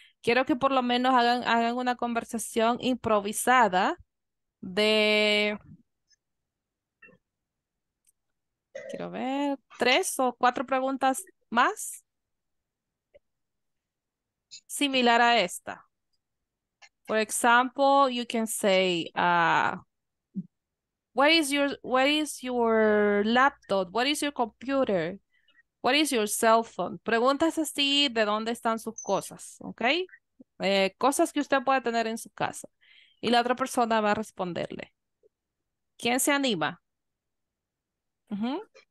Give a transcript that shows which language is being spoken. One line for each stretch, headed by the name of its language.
Spanish: Quiero que por lo menos hagan una conversación improvisada de, quiero ver, tres o cuatro preguntas más similar a esta.
English: For example, you can say, What is your laptop? What is your computer? What is your cell phone?
Spanish: Preguntas así de dónde están sus cosas, ¿ok? Cosas que usted puede tener en su casa. Y la otra persona va a responderle. ¿Quién se anima? Uh-huh.